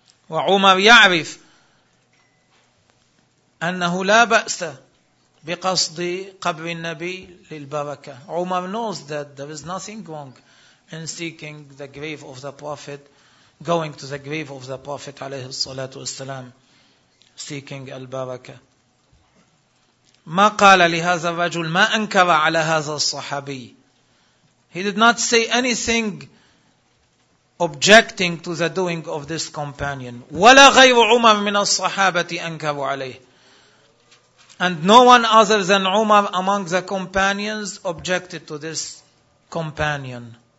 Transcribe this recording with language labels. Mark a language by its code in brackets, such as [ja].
[ar] وعمر يعرف أنه لا بأس بقصد قبر النبي للبركة. [en] Umar knows that there is nothing wrong in seeking the grave of the Prophet, going to the grave of the Prophet [ar] عليه الصلاة والسلام, [en] seeking البركة. [ar] ما قال لهذا الرجل, ما أنكر على هذا الصحابي. [en] He did not say anything objecting to the doing of this companion. [ar] ولا غير عمر من الصحابة أنكروا عليه. [en] And no one other than Umar among the companions objected to this companion.